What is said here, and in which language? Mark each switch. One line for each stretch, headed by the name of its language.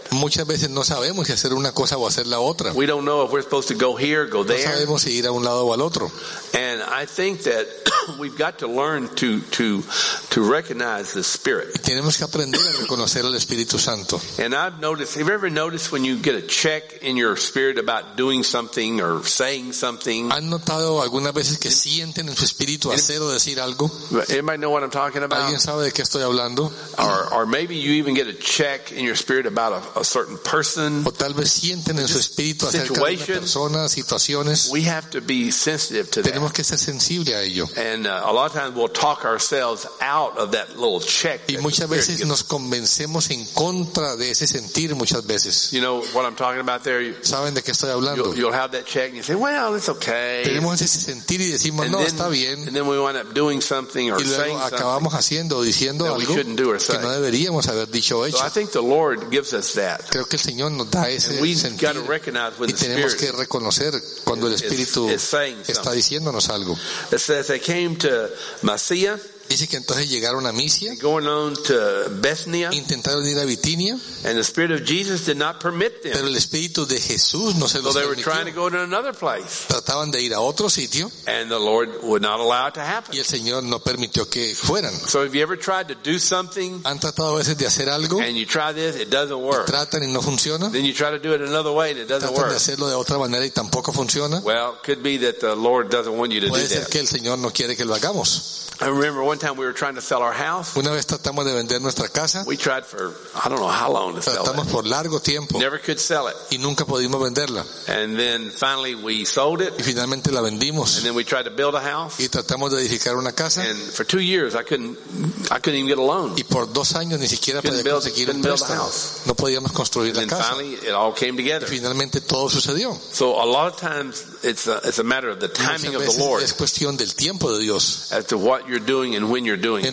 Spanish: Muchas veces no sabemos si hacer una cosa o hacer la otra.
English: We don't know if we're supposed to go here, go there.
Spanish: No sabemos si ir a un lado o al otro.
English: And I think that we've got to learn to recognize the Spirit.
Spanish: Y tenemos que aprender a reconocer al Espíritu Santo.
English: And I've noticed, have you ever noticed when you get a check in your spirit about doing something or saying something?
Spanish: ¿Han notado algunas veces que sienten en su espíritu hacer o decir algo?
English: Anybody know what I'm talking about?
Spanish: ¿Alguien sabe de qué estoy hablando?
English: Or maybe you even get a check in your spirit about a certain person.
Spanish: O tal vez sienten en su espíritu acerca de personas, situaciones.
English: We have to be sensitive to that.
Spanish: Tenemos que ser sensible a ello.
English: And a lot of times we'll talk ourselves out of that little check.
Spanish: Y muchas veces nos convencemos en contra de ese sentir muchas veces.
English: You know what I'm talking about there?
Spanish: ¿Saben de qué estoy hablando?
English: You'll have that check and you say, well, it's okay.
Spanish: Tenemos ese sentir y decimos, no, está bien.
English: And then we wind up doing something or saying something.
Spanish: Y luego acabamos haciendo o diciendo algo que no deberíamos haber dicho o hecho.
English: So I think the Lord gives us that.
Spanish: Creo que el Señor nos da ese sentir. Y tenemos que reconocer cuando el Espíritu está diciéndonos algo.
English: It says they came to Masia.
Spanish: Dice que entonces llegaron a Misia.
English: Going on to Bethnia.
Spanish: Intentaron ir a Bitinia.
English: And the Spirit of Jesus did not permit them.
Spanish: Pero el Espíritu de Jesús no se los permitió.
English: So they were trying to go to another place.
Spanish: Trataban de ir a otro sitio.
English: And the Lord would not allow it to happen.
Spanish: Y el Señor no permitió que fueran.
English: So have you ever tried to do something?
Spanish: ¿Han tratado a veces de hacer algo?
English: And you try this, it doesn't work.
Spanish: Y tratan y no funciona.
English: Then you try to do it another way and it doesn't work.
Spanish: Tratan de hacerlo de otra manera y tampoco funciona.
English: Well, could be that the Lord doesn't want you to do that.
Spanish: Puede ser que el Señor no quiere que lo hagamos.
English: I remember one time we were trying to sell our house.
Spanish: Una vez tratamos de vender nuestra casa.
English: We tried for I don't know how long to sell it.
Spanish: Tratamos por largo tiempo.
English: Never could sell it.
Spanish: Y nunca pudimos venderla.
English: And then finally we sold it.
Spanish: Y finalmente la vendimos.
English: And then we tried to build a house.
Spanish: Y tratamos de edificar una casa.
English: And for 2 years I couldn't even get a loan.
Spanish: Y por 2 años ni siquiera podíamos conseguir un préstamo. No podíamos construir la casa.
English: And then finally it all came together.
Spanish: Y finalmente todo sucedió.
English: So a lot of times it's a matter of the timing of the Lord.
Spanish: Es cuestión del tiempo de Dios.
English: As to what you're doing and when you're doing it.